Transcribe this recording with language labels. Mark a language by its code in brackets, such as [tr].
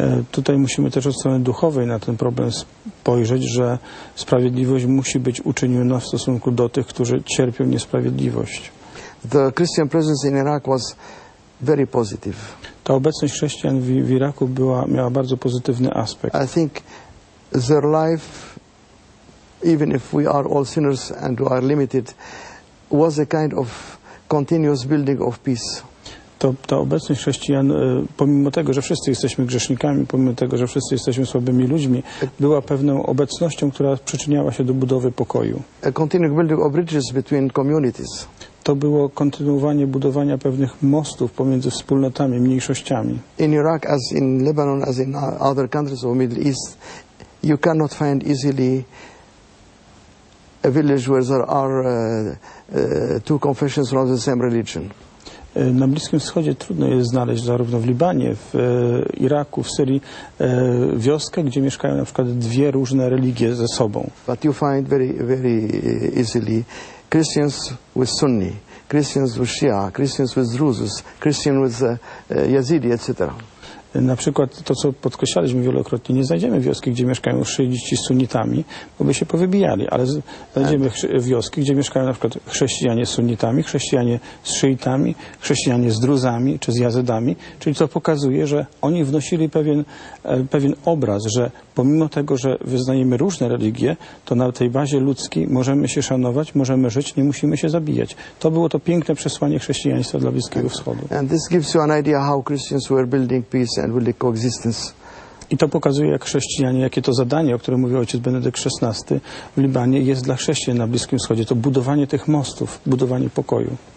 [pl] Tutaj musimy też od strony duchowej na ten problem spojrzeć, że sprawiedliwość musi być uczyniona w stosunku do tych, którzy cierpią niesprawiedliwość. [en] The Christian presence in Iraq was very positive. [pl] Ta obecność chrześcijan w Iraku miała bardzo pozytywny aspekt. [en] I think their life, even if we are all sinners and we are limited, was a kind of continuous building of peace. [pl] Ta obecność chrześcijan, pomimo tego, że wszyscy jesteśmy grzesznikami, pomimo tego, że wszyscy jesteśmy słabymi ludźmi, była pewną obecnością, która przyczyniała się do budowy pokoju. [en] A continuous building of bridges between communities. [pl] To było kontynuowanie budowania pewnych mostów pomiędzy wspólnotami, mniejszościami. [en] In Iraq, as in Lebanon, as in other countries of the Middle East, you cannot find easily a village where there are two confessions from the same religion. [pl] Na Bliskim Wschodzie trudno jest znaleźć, zarówno w Libanie, w Iraku, w Syrii, wioskę, gdzie mieszkają na przykład dwie różne religie ze sobą. [en] But you find very, very easily Christians with Sunni, Christians with Shia, Christians with Druzes, Christians with Yazidi, etc. [pl] Na przykład to, co podkreślaliśmy wielokrotnie, nie znajdziemy wioski, gdzie mieszkają szyici z sunnitami, bo by się powybijali, ale znajdziemy wioski, gdzie mieszkają na przykład chrześcijanie z sunnitami, chrześcijanie z szyitami, chrześcijanie z druzami czy z jazydami, czyli to pokazuje, że oni wnosili pewien obraz, że pomimo tego, że wyznajemy różne religie, to na tej bazie ludzkiej możemy się szanować, możemy żyć, nie musimy się zabijać. To było to piękne przesłanie chrześcijaństwa dla Bliskiego Wschodu. [en] And this gives you an idea how Christians were building peace. And will the coexistence. [pl] I to pokazuje, jak chrześcijanie, jakie to zadanie, o którym mówił ojciec Benedykt XVI w Libanie, jest dla chrześcijan na Bliskim Wschodzie. To budowanie tych mostów, budowanie pokoju.